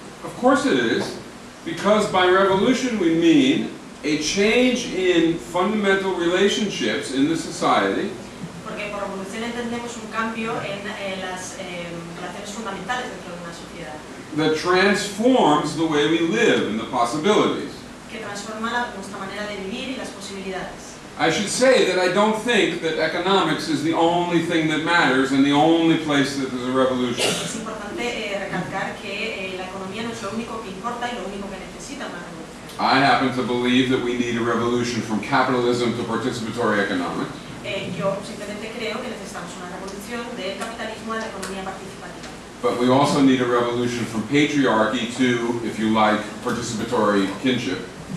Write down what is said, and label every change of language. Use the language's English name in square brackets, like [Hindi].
[English] Of course it is, because by revolution we mean a change in fundamental relationships in the society. [Spanish] Porque por revolución entendemos un cambio en las relaciones fundamentales dentro de una sociedad. [English] That transforms the way we live and the possibilities. [Spanish] Que transforma nuestra manera de vivir y las posibilidades. [English] I should say that I don't think that economics is the only thing that matters and the only place that there's a revolution. [Spanish] Es importante recalcar que la economía no es lo único que importa y lo único que necesita una revolución. [English] I happen to believe that we need a revolution from capitalism to participatory economics. [Spanish] Yo simplemente creo que necesitamos una revolución del capitalismo a la economía participativa. [English] But we also need a revolution from patriarchy to, if you like, participatory kinship.